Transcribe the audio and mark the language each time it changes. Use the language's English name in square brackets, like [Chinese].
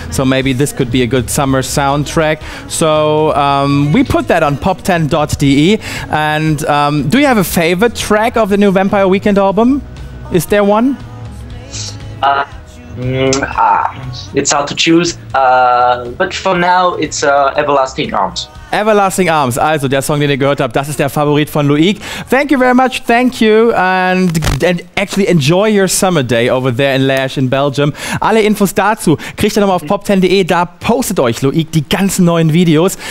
[English] So maybe this could be a good summer soundtrack. So we put that on pop10.de. And do you have a favorite track of the new Vampire Weekend album? Is there one? It's hard to choose, but for now it's Everlasting Arms. [German] Everlasting Arms, also der Song, den ihr gehört habt, das ist der Favorit von Loic. [English] Thank you very much, thank you, and actually enjoy your summer day over there in Lash in Belgium. [German] Alle Infos dazu kriegt ihr nochmal auf pop10.de, da postet euch Loic die ganzen neuen Videos.